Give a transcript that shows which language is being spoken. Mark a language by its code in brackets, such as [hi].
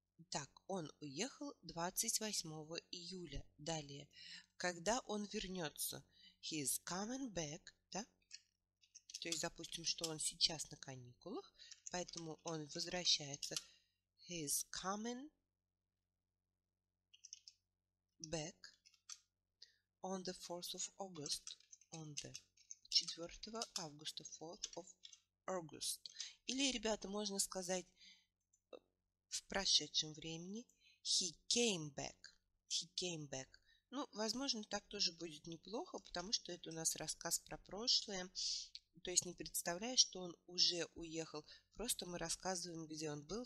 [ru] Так, он уехал 28 июля. Далее. Когда он вернется? [en] He is coming back, [ru] да? То есть, допустим, что он сейчас на каникулах, поэтому он возвращается. [en] He is coming back on the 4th of August. On the 4 августа. 4th of August. [ru] Или, ребята, можно сказать... В прошедшем времени [en] he came back. He came back. [ru] Ну, возможно, так тоже будет неплохо, потому что это у нас рассказ про прошлое. То есть не представляю, что он уже уехал. Просто мы рассказываем, где он был.